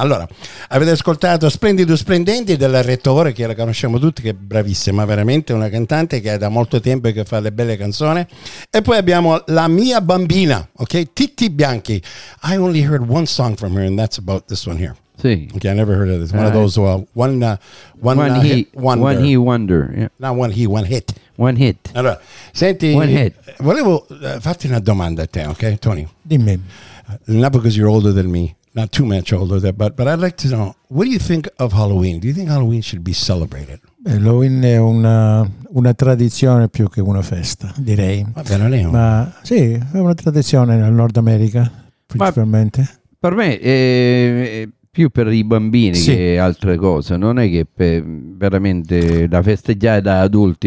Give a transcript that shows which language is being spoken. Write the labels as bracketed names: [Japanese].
[Italian] Allora, avete ascoltato Splendido Splendente della Rettore, che la conosciamo tutti, che è bravissima, veramente una cantante che è da molto tempo che fa le belle canzoni. E poi abbiamo La Mia Bambina, ok? Titti Bianchi. [English] I only heard one song from her, and that's about this one here. [Italian] Sì. [English] Okay, I never heard of this. One of those, one hit wonder. Yeah. Not one hit, one hit. One hit. [Italian] Allora, senti, one hit. Volevo farti una domanda a te, ok, Tony? Dimmi. [English] Not because you're older than me, not too much older than, but I'd like to know, what do you think of Halloween? Do you think Halloween should be celebrated? [Italian] Halloween è una tradizione più che una festa, direi. Vabbè, non è una. Ma sì, è una tradizione nel Nord America, principalmente. Ma per me è più per i bambini, sì, che altre cose. Non è che veramente da festeggiare da adulti.